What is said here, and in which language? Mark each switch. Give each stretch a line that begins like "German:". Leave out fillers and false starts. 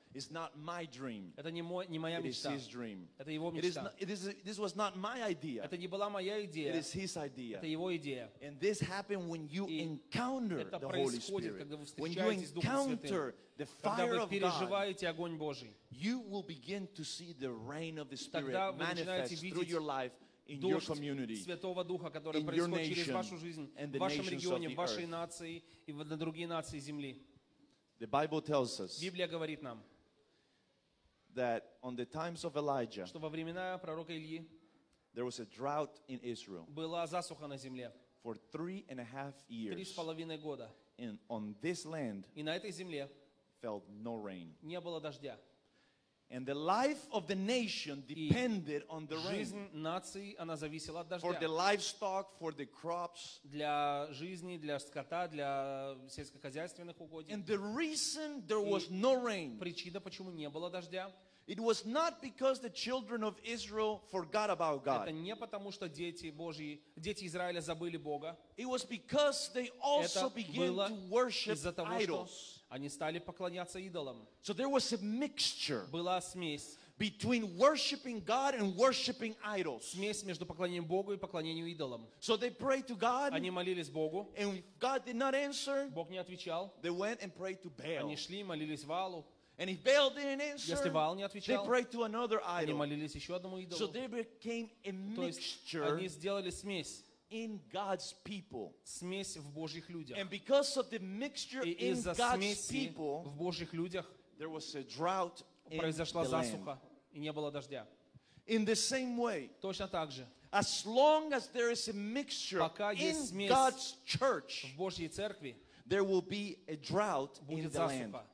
English: It's not my dream.
Russian: Это не моя мечта.
English: It is His dream.
Russian: Это его мечта.
English: This was not my idea.
Russian: Это не была моя идея.
English: It is His idea.
Russian: Это его идея.
English: And this happened when you encounter the Holy Spirit.
Russian: Это происходит, когда вы встречаете Духа Святого.
English: When you encounter the fire of God,
Russian: когда вы переживаете огонь Божий,
English: you will begin to see the rain of the Spirit manifest through your life. In your community,
Russian: Святого Духа, который происходит через вашу жизнь, в вашем регионе, в вашей нации и на другие нации земли.
English: The Bible tells us,
Russian: Библия говорит нам,
English: that on the times of Elijah,
Russian: что во времена пророка Ильи,
English: there was a drought in Israel,
Russian: была засуха на земле,
English: for 3.5 years,
Russian: 3.5 года,
English: and on this land,
Russian: и на этой земле,
English: fell no rain,
Russian: не было дождя.
English: And the life of the nation depended on the rain.
Russian: Жизнь нации она зависела от дождя.
English: For the livestock, for the crops.
Russian: Для жизни, для скота, для сельскохозяйственных угодий.
English: And the reason there was no rain.
Russian: Причина, почему не было дождя.
English: It was not because the children of Israel forgot about God.
Russian: Это не потому, что дети Божьи, дети Израиля забыли Бога.
English: It was because they also began to worship idols.
Russian: Они стали поклоняться идолам.
English: So there was a mixture.
Russian: Была смесь.
English: Between worshiping God and worshiping idols.
Russian: Смесь между поклонением Богу и поклонением идолам.
English: So they prayed to God.
Russian: Они молились Богу.
English: And God did not answer.
Russian: Бог не отвечал.
English: They went and prayed to Baal.
Russian: Они шли и молились Ваалу.
English: And if Baal didn't answer,
Russian: если Ваал не отвечал,
English: they prayed to another idol.
Russian: Они молились еще одному идолу.
English: So they became a mixture.
Russian: Они сделали смесь.
English: In God's people,
Russian: смесь в Божьих людях,
English: and because of the mixture in God's people,
Russian: в Божьих людях,
English: there was a drought in the land.
Russian: Произошла засуха и не было дождя.
English: In the same way,
Russian: точно так же,
English: as long as there is a mixture in God's church,
Russian: в Божьей церкви,
English: there will be a drought in the land.